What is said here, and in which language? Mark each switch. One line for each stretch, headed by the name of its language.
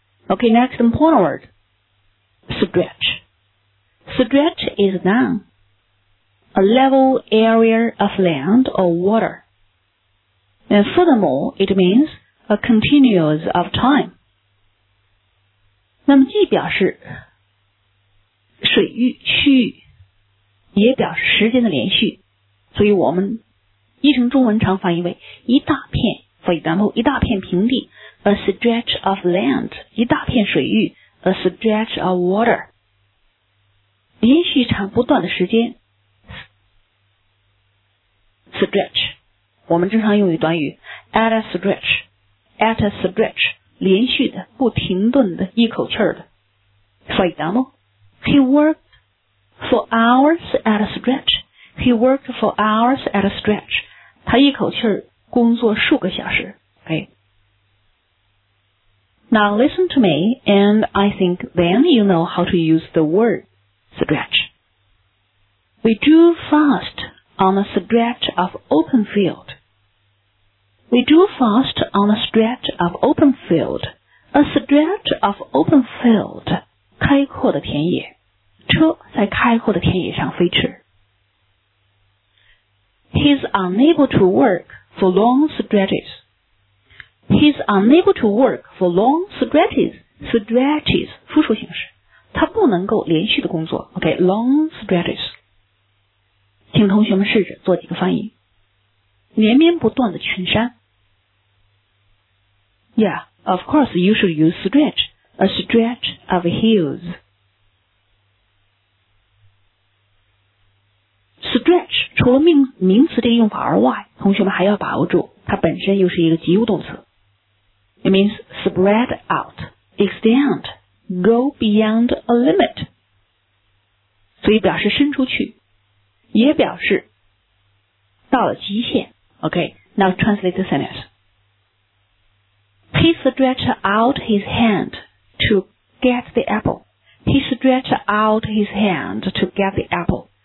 English: Okay, next important word. Stretch. Stretch is a noun. A level area of land or water. And furthermore, it means a continuous of time.
Chinese: 那么既表示水域区域也表示时间的连续。所以我们译成中文常翻译为一大片
English: for example,
Chinese: 一大片平地
English: a stretch of land,
Chinese: 一大片水域
English: a stretch of water,
Chinese: 连续长不断的时间 stretch, 我们经常用于短语
English: at a stretch,
Chinese: 连续的不停顿的一口气的
English: for example, he worked for hours at a stretch,
Chinese: 他一口气工作数个小时、
English: okay. Now listen to me and I think then you know how to use the word stretch. We drew fast on a stretch of open field. We drew fast on a stretch of open field. A stretch of open field,
Chinese: 开阔的田野车在开阔的田野上飞驰。
English: He's unable to work for long stretches.
Chinese: Stretches, 复数形式。他不能够连续的工作。
English: Okay, long stretches.
Chinese: 请同学们试着做几个翻译。连绵不断的群山。
English: Yeah, of course you should use stretch. A stretch of hills.
Chinese: Stretch 除了名词这个用法而外，同学们还要把握住，它本身又是一个及物动词。
English: It means spread out, extend, go beyond a limit.
Chinese: 所以表示伸出去，也表示到了极限。
English: Okay, now translate the sentence. He stretched out his hand to get the apple. He stretched out his hand to get the apple.